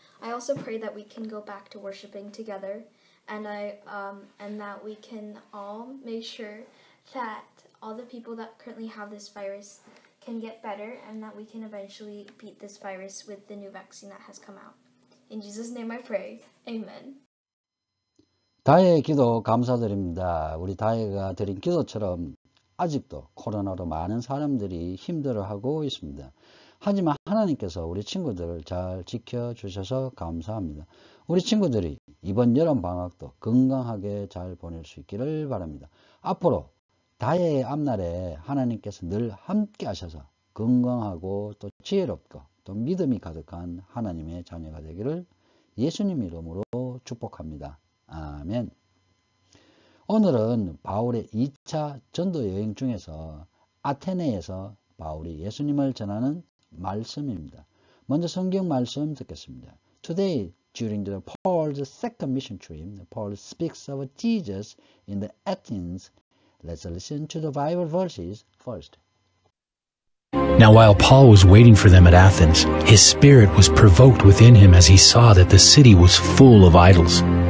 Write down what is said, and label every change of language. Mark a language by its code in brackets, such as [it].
[en] I also pray that we can go back to worshiping together, and that we can all make sure that all the people that currently have this virus can get better, and that we can eventually beat this virus with the new vaccine that has come out. In Jesus' name I pray. Amen. [ko] 다혜의 기도 감사드립니다. 우리 다혜가 드린 기도처럼 아직도 코로나로 많은 사람들이 힘들어하고 있습니다. 하지만 하나님께서 우리 친구들을 잘 지켜주셔서 감사합니다. 우리 친구들이 이번 여름 방학도 건강하게 잘 보낼 수 있기를 바랍니다. 앞으로 다혜의 앞날에 하나님께서 늘 함께 하셔서 건강하고 또 지혜롭고 또 믿음이 가득한 하나님의 자녀가 되기를 예수님 이름으로 축복합니다. 아멘. 오늘은 바울의 2차 전도 여행 중에서 아테네에서 바울이 예수님을 전하는 말씀입니다. 먼저 성경 말씀 듣겠습니다. [en] Today, during the Paul's second mission trip, Paul speaks of Jesus in the Athens. Let's listen to the Bible verses first. Now while Paul was waiting for them at Athens, his spirit was provoked within him as he saw that the city was full of idols.